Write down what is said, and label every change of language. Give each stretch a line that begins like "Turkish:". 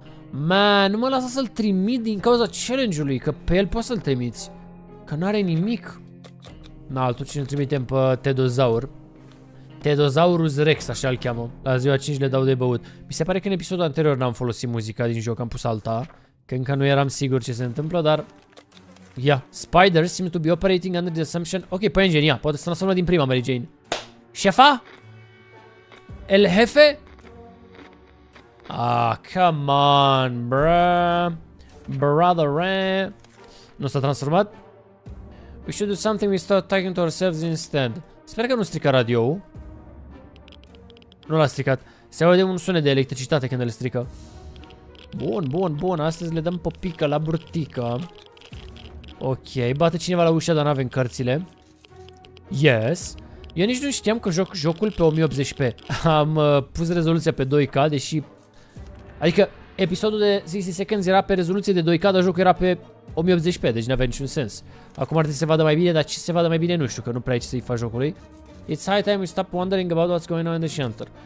Romanian: Man, nu mă lasă să-l trimit din cauza challenge-ului, că pe el poți să-l trimiți. Că n-are nimic. Na, atunci îl trimitem pe Tedozaur. Tedozaurus Rex, așa îl cheamă. La ziua 5 le dau de băut. Mi se pare că în episodul anterior n-am folosit muzica din joc, am pus alta. Că încă nu eram sigur ce se întâmplă, dar... Ia. Yeah.
English: Spiders seem to be operating under the assumption...
Romanian: Ok, pe engine, ia. Poate să transformă din prima, Mary Jane.
English: Șefa? El jefe? Ah, come on, bruh.
Romanian: Brother, nu s-a transformat?
English: We should do something, we start talking to ourselves instead.
Romanian: Sper că nu strică radio-ul. Nu l-a stricat. Se aude un sunet de electricitate când îl strică. Bun, bun, bun, astăzi le dăm pe pică la burtică. Ok, bate cineva la ușa, dar n-avem cărțile. Yes. Eu nici nu știam că joc jocul pe 1080p. Am pus rezoluția pe 2K, deși... Adică, episodul de 60 seconds era pe rezoluție de 2K, dar jocul era pe 1080p, deci n-avea niciun sens. Acum ar trebui să se vadă mai bine, dar ce se vadă mai bine, nu știu, că nu prea e ce să-i faci jocului.
English: It's high time we stop wondering about what's going on in the shelter.